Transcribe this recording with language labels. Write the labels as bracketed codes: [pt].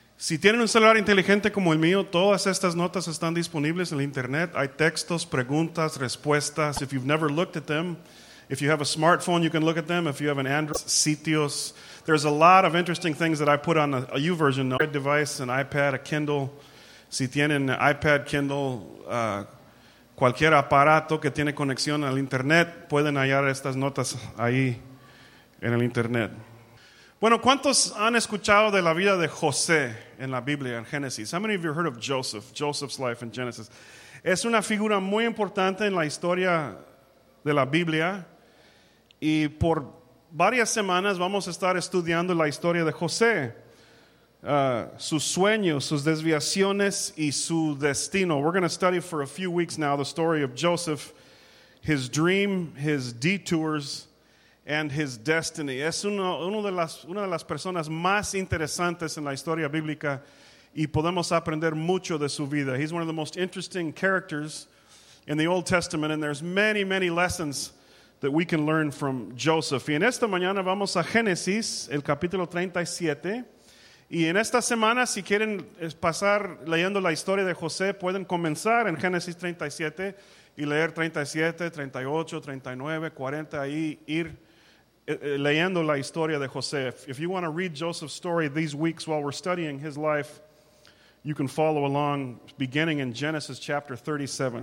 [es] Si tienen un celular inteligente como el mío, todas estas notas están disponibles en el internet. Hay textos, preguntas, respuestas. [en] If you've never looked at them, if you have a smartphone, you can look at them. If you have an Android, sitios. There's a lot of interesting things that I put on a YouVersion device, an iPad, a Kindle. [es] Si tienen iPad, Kindle, cualquier aparato que tiene conexión al internet, pueden hallar estas notas ahí en el internet. Bueno, ¿cuántos han escuchado de la vida de José en la Biblia, en Génesis? [en] How many of you heard of Joseph, Joseph's life in Genesis? [es] Es una figura muy importante en la historia de la Biblia. Y por varias semanas vamos a estar estudiando la historia de José. Sus sueños, sus desviaciones y su destino. [en] We're going to study for a few weeks now the story of Joseph, his dream, his detours, and his destiny. [es] Es una de las personas más interesantes en la historia bíblica y podemos aprender mucho de su vida. [en] He's one of the most interesting characters in the Old Testament, and there's many, many lessons that we can learn from Joseph. [es] Y en esta mañana vamos a Génesis, el capítulo 37. Y en esta semana, si quieren pasar leyendo la historia de José, pueden comenzar en Génesis 37 y leer 37, 38, 39, 40, ahí ir leyendo la historia de José. [en] If you want to read Joseph's story these weeks while we're studying his life, you can follow along beginning in Genesis chapter 37.